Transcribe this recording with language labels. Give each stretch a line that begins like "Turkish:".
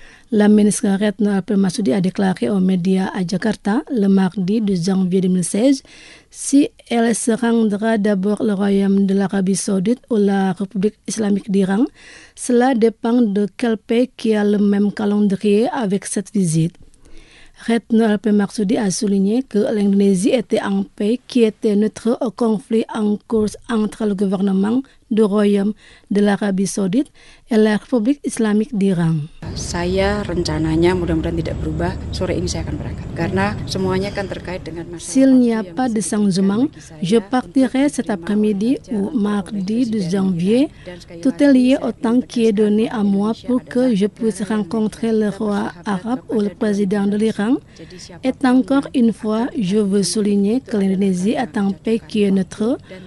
French: La ministre Retno Marsudi a déclaré aux médias à Jakarta le mardi 12 janvier 2016 si elle se rendra d'abord le royaume de l'Arabie Saoudite ou la République islamique d'Iran, cela dépend de quel pays qui a le même calendrier avec cette visite. Retno Marsudi a souligné que l'Indonésie était un pays qui était neutre au conflit en cours entre le gouvernement du royaume de l'Arabie Saoudite et la République islamique d'Iran.
Indonesian: Saya rencananya mudah-mudahan tidak berubah, sore ini saya akan berangkat karena semuanya kan terkait dengan masalah.
French: S'il n'y a pas de changement, je partirai cet après-midi ou mardi 12 janvier. Tout est lié au temps qui est donné à moi pour que je puisse rencontrer le roi arabe ou le président de l'Iran. Et encore une fois, je veux souligner que l'Indonésie est un pays qui est neutre.